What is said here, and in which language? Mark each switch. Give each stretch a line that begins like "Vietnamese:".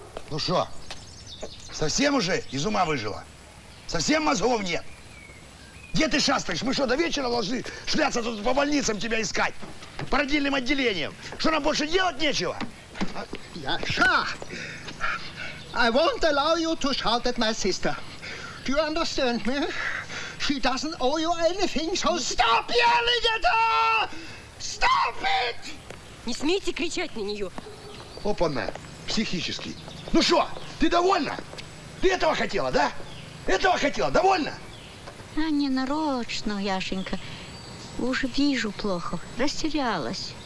Russian: Ну что, совсем уже из ума выжила? Совсем мозгов нет? Где ты шастаешь? Мы что, до вечера должны шляться тут по больницам тебя искать? По родильным отделениям? Что, нам больше делать нечего? Яша!
English: I won't allow you to shout at my sister. Do you understand me? She doesn't owe you anything, so stop yelling at her! Stop it!
Russian: Не смейте кричать на нее. Опа-на, психически. Ну что, ты довольна? Ты этого хотела, да? Этого хотела, довольна? А не нарочно, Яшенька. Уже вижу плохо. Растерялась.